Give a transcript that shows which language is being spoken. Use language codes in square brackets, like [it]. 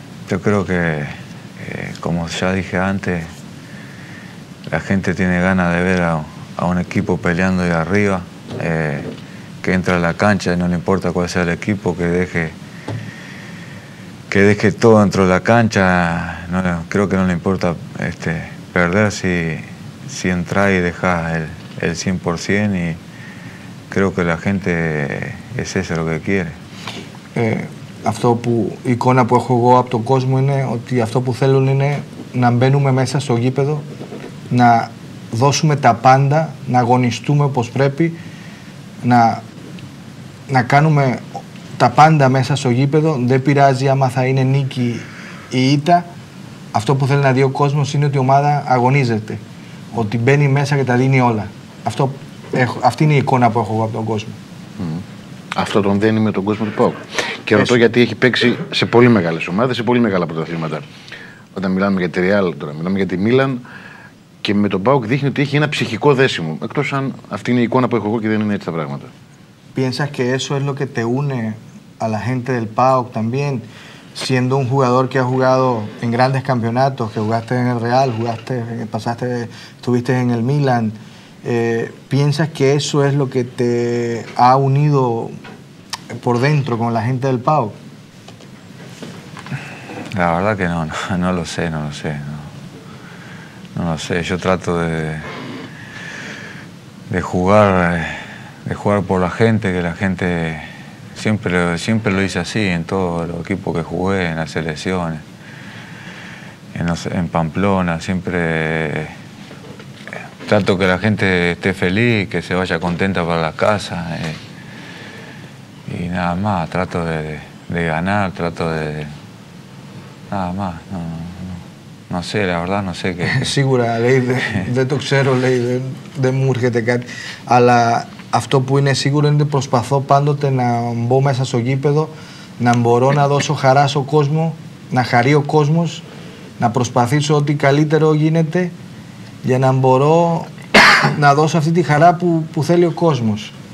[es] Yo creo que, como ya dije antes, la gente tiene ganas de ver a un equipo peleando ahí arriba, que entra a la cancha y no le importa cuál sea el equipo, que deje todo dentro de la cancha. No, creo que no le importa perder si entra y deja el 100%, y creo que la gente es eso lo que quiere. [el] Αυτό που, η εικόνα που έχω εγώ από τον κόσμο είναι ότι αυτό που θέλουν είναι να μπαίνουμε μέσα στο γήπεδο, να δώσουμε τα πάντα, να αγωνιστούμε όπως πρέπει, να κάνουμε τα πάντα μέσα στο γήπεδο, δεν πειράζει άμα θα είναι νίκη ή ήττα. Αυτό που θέλει να δει ο κόσμος είναι ότι η ομάδα αγωνίζεται, ότι μπαίνει μέσα και τα δίνει όλα. Αυτή είναι η εικόνα που έχω εγώ από τον κόσμο. Αυτό τον δένει με τον κόσμο του ΠΑΟΚ. Και ρωτώ γιατί έχει παίξει σε πολύ μεγάλες ομάδες, σε πολύ μεγάλα πρωταθλήματα. Όταν μιλάμε για τη Ρεάλ, τώρα μιλάμε για τη Μίλαν, και με τον ΠΑΟΚ δείχνει ότι έχει ένα ψυχικό δέσιμο. Εκτός αν αυτή είναι η εικόνα που έχω εγώ και δεν είναι έτσι τα πράγματα. [es] ¿Piensas que eso es lo que te une a la gente del PAOK también, siendo un jugador que ha jugado en grandes campeonatos, que jugaste en el Real, estuviste en el Milan? ¿Piensas que eso es lo que te ha unido por dentro con la gente del PAOK? La verdad que no lo sé. Yo trato de jugar por la gente, que la gente siempre lo hice así, en todos los equipos que jugué, en las selecciones, en Pamplona, siempre trato que la gente esté feliz, que se vaya contenta para la casa, y nada más, trato de ganar, trato de... nada más, no sé, la verdad no sé qué... Segura, Leide, de tu xero, Leide, de murgete, Kat, a la... [el] Αυτό που είναι σίγουρο είναι ότι προσπαθώ πάντοτε να μπω μέσα στο γήπεδο, να μπορώ να δώσω χαρά στον κόσμο, να χαρεί ο κόσμος, να προσπαθήσω ό,τι καλύτερο γίνεται για να μπορώ να δώσω αυτή τη χαρά που θέλει ο κόσμος.